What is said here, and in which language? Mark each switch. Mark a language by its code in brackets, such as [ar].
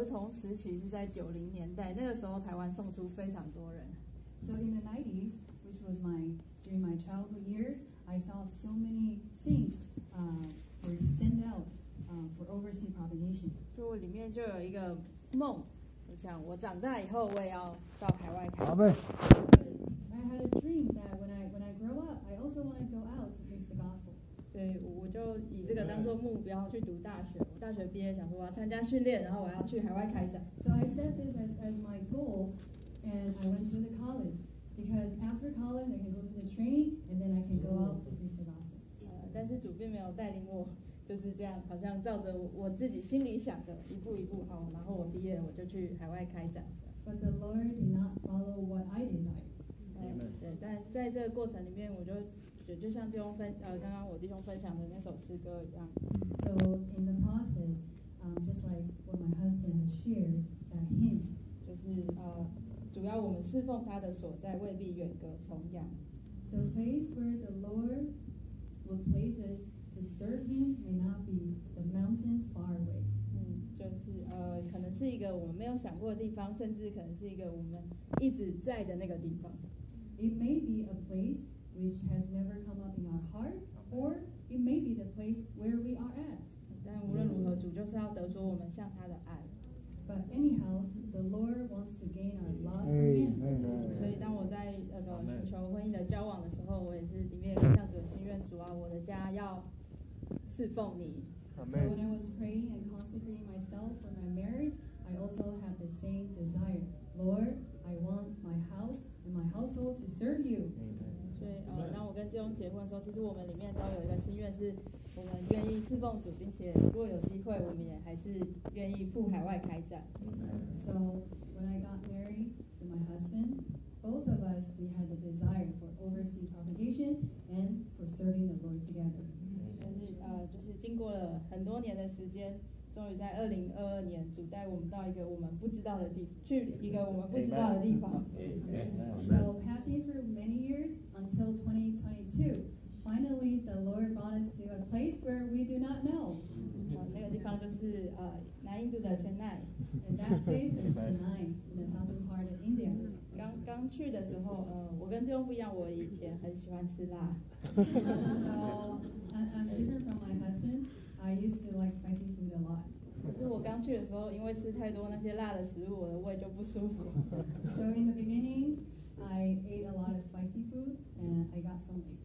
[zh] 时期是在90年代，那个时候台湾送出非常多人。 [en] So in the 90s, which was during my childhood years, I saw so many saints were sent out for overseas propagation. [zh] 所以我里面就有一个梦，我想我长大以后我也要到海外开。阿妹。 [en] I had a dream that when I grow up, I also want to go out to preach the gospel. [zh] 对，我就以这个当做目标去读大学。大学毕业想说我要参加训练，然后我要去海外开展。 [en] So I set this as my goal and I went to the college because after college I can go to the training and then I can go out to preach the gospel. [zh] 但是主并没有带领我就是这样，好像照着我自己心里想的一步一步，好，然后我毕业我就去海外开展。 [en] But the Lord did not follow what I desired. [zh] 对，但在这个过程里面我就像弟兄刚刚我弟兄分享的那首诗歌一样。 [en] So in the process, just like what my husband has shared, that hymn, [zh] 就是主要我们侍奉他的所在未必远隔重洋。 [en] The place where the Lord will place us to serve Him may not be the mountains far away. [zh] 就是可能是一个我们没有想过的地方，甚至可能是一个我们一直在的那个地方。 [en] It may be a place. Which has never come up in our heart, or it may be the place where we are at. [zh] 但无论如何，主就是要得着我们向他的爱。 [en] But anyhow, the Lord wants to gain our love for Him. [zh] 所以当我在寻求婚姻的交往的时候，我也是里面有向主的心愿，主啊，我的家要侍奉你。 [en] So when I was praying and consecrating myself for my marriage, I also have the same desire. Lord, I want my house and my household to serve You. Amen. [zh] 所以，当我跟弟兄结婚的时候，其实我们里面都有一个心愿，是我们愿意侍奉主，并且如果有机会，我们也还是愿意赴海外开展。 [en] So when I got married to my husband, both of us we had the desire for overseas propagation and for serving the Lord together. [zh] 但是，就是经过了很多年的时间，终于在2022年，主带我们到一个我们不知道的地，去一个我们不知道的地方。 [en] So passing through many years. Until 2022, finally the Lord brought us to a place where we do not know. [zh] 那个地方就是南印度的 Chennai. [en] And that place is Chennai, in the southern part of India. [zh] 刚去的时候，我跟弟兄不一样，我以前很喜欢吃辣。 [en] So, I'm different from my husband. I used to like spicy food a lot. [zh] 可是我刚去的时候，因为吃太多那些辣的食物，我的胃就不舒服。 [en] So in the beginning.I ate a lot of spicy food and I got some